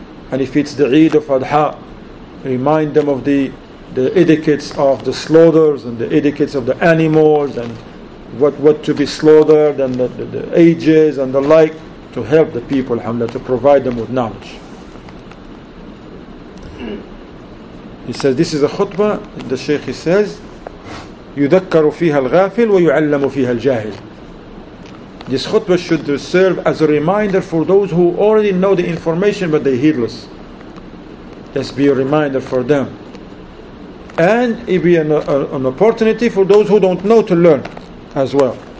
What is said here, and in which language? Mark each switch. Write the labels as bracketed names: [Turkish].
[English] And if it's the Eid of Adha, remind them of the etiquettes of the slaughters and the etiquettes of the animals and what to be slaughtered and the ages and the like, to help the people, alhamdulillah, to provide them with knowledge. He says this is a khutbah, the Shaykh he says, [Arabic] يذكر فيها الغافل ويعلم فيها الجاهل. [English] This khutbah should serve as a reminder for those who already know the information but they heedless. Let's be a reminder for them. And it be an opportunity for those who don't know to learn as well.